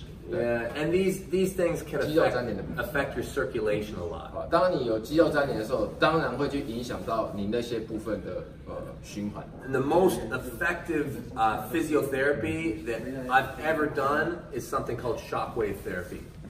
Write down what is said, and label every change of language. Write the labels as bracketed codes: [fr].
[en] Yeah, and these things can affect your circulation a lot. [zh] 当你有肌肉粘连的时候，当然会去影响到你那些部分的循环。 [en] And the most effective physiotherapy that I've ever done is something called shockwave therapy.